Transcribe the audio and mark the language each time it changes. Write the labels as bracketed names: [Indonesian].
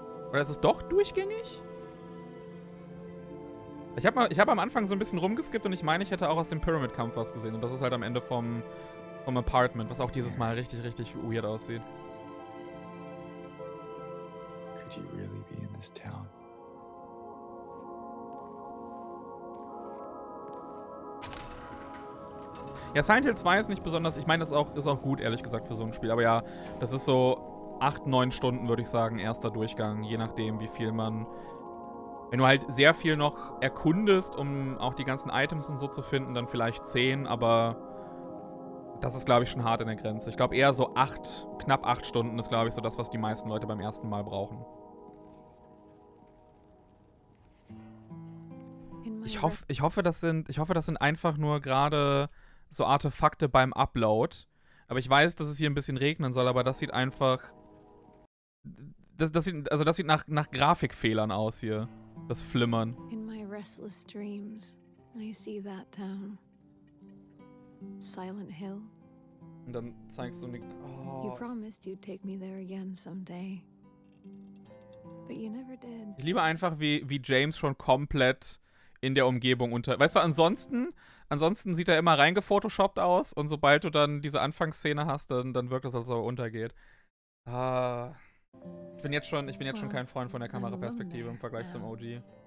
[German] Oder ist es doch durchgängig? Ich hab am Anfang so ein bisschen rumgeskippt und ich meine, ich hätte auch aus dem Pyramid-Kampf was gesehen. Und das ist halt am Ende vom Apartment, was auch dieses Mal richtig, richtig weird aussieht. [English] Could you really be in this town? [German] Ja. Ja, Silent Hill 2 ist nicht besonders. Ich meine, das ist auch gut, ehrlich gesagt, für so ein Spiel. Aber ja, das ist so 8-9 Stunden, würde ich sagen, erster Durchgang. Je nachdem, wie viel man... Wenn du halt sehr viel noch erkundest, um auch die ganzen Items und so zu finden, dann vielleicht 10, aber das ist, glaube ich, schon hart in der Grenze. Ich glaube, eher so knapp acht Stunden ist, glaube ich, so das, was die meisten Leute beim ersten Mal brauchen. Ich hoffe, das sind einfach nur gerade so Artefakte beim Upload. Aber ich weiß, dass es hier ein bisschen regnen soll, aber das sieht einfach... Das sieht nach Grafikfehlern aus hier. Das Flimmern. [English] In my restless dreams, I see that town. Silent Hill. [German] Und dann zeigst du nicht. Oh. [English] You promised you'd take me there again someday. But you never did. [German] Ich liebe einfach, wie James schon komplett in der Umgebung unter. Weißt du, ansonsten sieht er immer reingefotoshoppt aus und sobald du dann diese Anfangsszene hast, dann wirkt es, als ob er untergeht. Ah. Ich bin jetzt schon kein Freund von der Kameraperspektive im Vergleich zum OG.